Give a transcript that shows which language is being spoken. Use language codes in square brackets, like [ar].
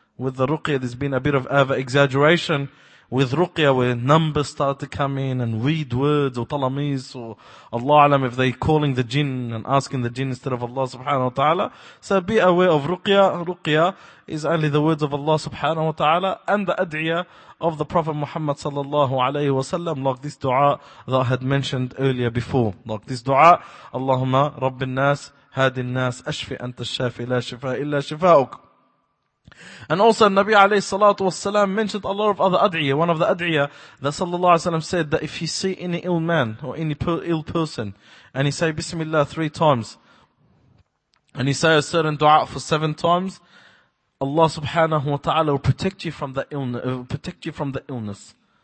[en] With the ruqya, there's been a bit of over-exaggeration. With ruqya, where numbers start to come in and weed words or talamis or Allah alam, if they're calling the jinn and asking the jinn instead of Allah subhanahu wa ta'ala. So be aware of ruqya. Ruqya is only the words of Allah subhanahu wa ta'ala and the ad'iyah of the Prophet Muhammad sallallahu alayhi wa sallam, like this dua that I had mentioned earlier before. Like this dua, [ar] Allahumma rabbin nas, هادي الناس أشفي أنت الشافي لا شفاء إلا شفاؤك. [en] And also Nabi alayhi salatu wasalam mentioned a lot of other ad'iyah. One of the ad'iyah that sallallahu alayhi wa sallam said that if you see any ill man or any ill person and he say Bismillah three times and he say a certain dua for seven times, Allah subhanahu wa ta'ala will protect you from that illness, protect you from the illness.